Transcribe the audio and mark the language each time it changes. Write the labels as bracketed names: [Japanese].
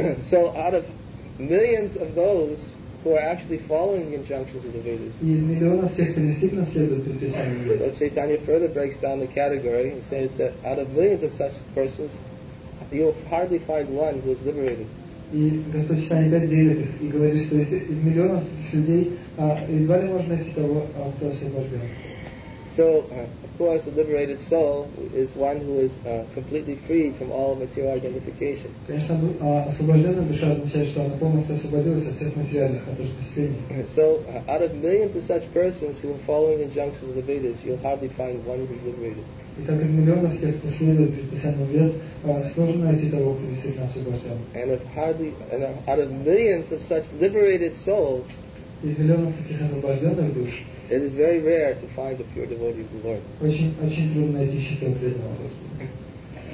[English] So out of millions of those who are actually following the injunctions of the Vedas, Lord Chaitanya further breaks down the category and says that out of millions of such persons, you will hardly find one who is liberated. [Russian] И Господь Читание опять делит их и говорит, что из миллионов людей едва ли можно найти того, кто освобожден. [English] so, of course, a liberated soul is one who is completely freed from all material identification. So, out of millions of such persons who are following the injunctions of the Vedas, you'll hardly find one who is liberated. [Russian] Итак, из миллионов тех, кто следует предписанию вет, сложно найти того, кто действительно освобожден. [English] And if hardly, and out of millions of such liberated souls, [Russian] из миллионов таких освобожденных душ, [English] it is very rare to find a pure devotee of the Lord. [Russian] Очень, очень трудно найти чистого преданного Господа.